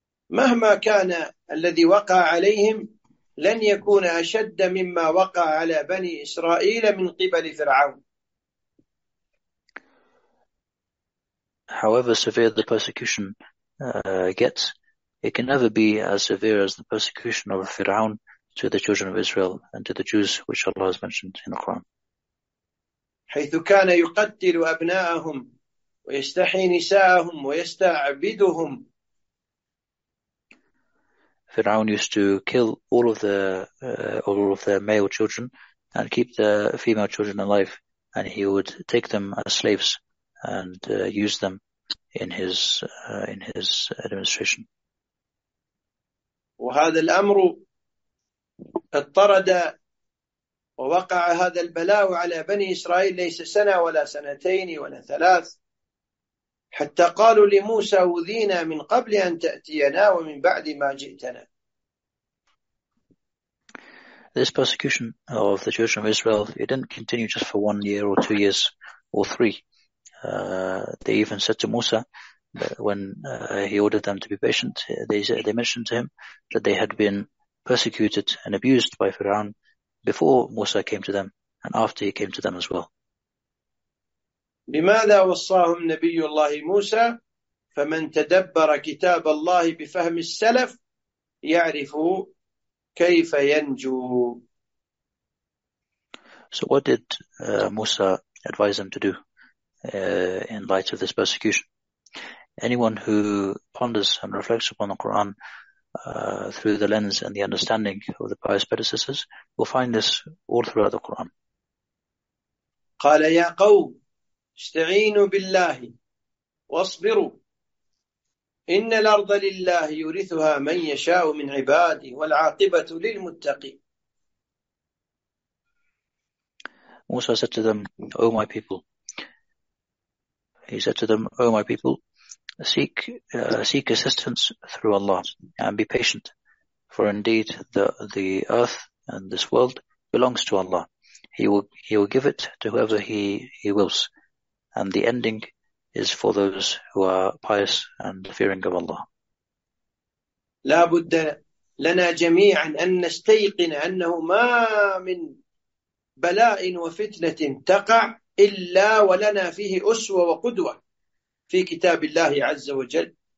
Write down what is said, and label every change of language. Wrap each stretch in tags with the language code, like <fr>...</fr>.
<ar>مهما كان الذي وقع عليهم لن يكون أشد مما وقع على بني إسرائيل من قبل فرعون.</ar> <en>However severe the persecution gets, it can never be as severe as the persecution of Fir'aun to the children of Israel and to the Jews, which Allah has mentioned in the Quran.</en> <ar>حيث كان يقتل أبناءهم ويستحيي نساءهم ويستعبدهم.</ar> <en>Fir'aun used to kill all of the male children and keep the female children alive, and he would take them as slaves and use them in his administration.</en> <ar>وهذا الأمر اضطرد ووقع هذا البلاء على بني إسرائيل ليس سنة ولا سنتين ولا ثلاث حتى قالوا لموسى أوذينا من قبل أن تأتينا ومن بعد ما جئتنا.</ar> <en>This persecution of the children of Israel, it didn't continue just for 1 year or 2 years or three. They even said to Musa, when he ordered them to be patient, they mentioned to him that they had been persecuted and abused by Fir'aun before Musa came to them and after he came to them as well.</en> <ar>لماذا وصاهم نبي الله موسى فمن تدبر كتاب الله بفهم السلف يعرف كيف ينجو.</ar> <en>So what did Musa advise them to do in light of this persecution? Anyone who ponders and reflects upon the Quran through the lens and the understanding of the pious predecessors will find this all throughout the Quran.</en> <ar>قال يا قوم استعينوا بالله واصبروا إن الأرض لله يورثها من يشاء من عباده والعاقبة للمتقين.</ar> <en>Musa said to them, O my people, he said to them, O my people, seek assistance through Allah and be patient. For indeed the earth and this world belongs to Allah. He will give it to whoever he wills. And the ending is for those who are pious and fearing of Allah.</en> <ar>لابد لنا جميعا أن نستيقن أنه ما من بلاء وفتنة تقع إلا ولنا فيه أسوة وقدوة في كتاب الله عز وجل.</ar>